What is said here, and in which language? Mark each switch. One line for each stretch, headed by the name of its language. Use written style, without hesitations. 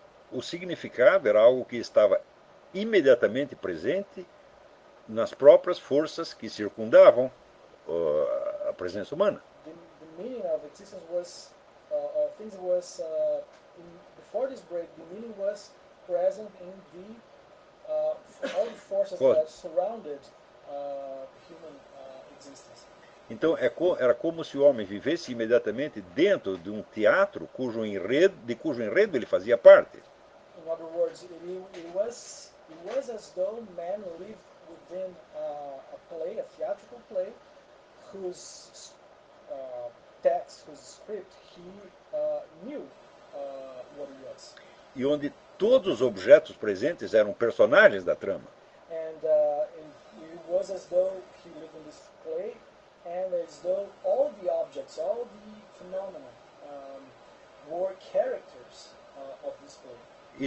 Portuguese: o significado era algo que estava imediatamente presente nas próprias forças que circundavam a presença humana.
English: The meaning of existence was things was before this break, the meaning was present in the all the forces that surrounded human existence.
Portuguese: Então era como se o homem vivesse imediatamente dentro de um teatro cujo enredo de cujo enredo ele fazia parte.
English: In other words, it was as though man lived within a play, a theatrical play, whose text, whose script, he knew what it was.
Portuguese: E onde todos os objetos presentes eram personagens da trama.
English: And it was as though he lived in this play, and as though all the objects, all the phenomena, were characters of this play.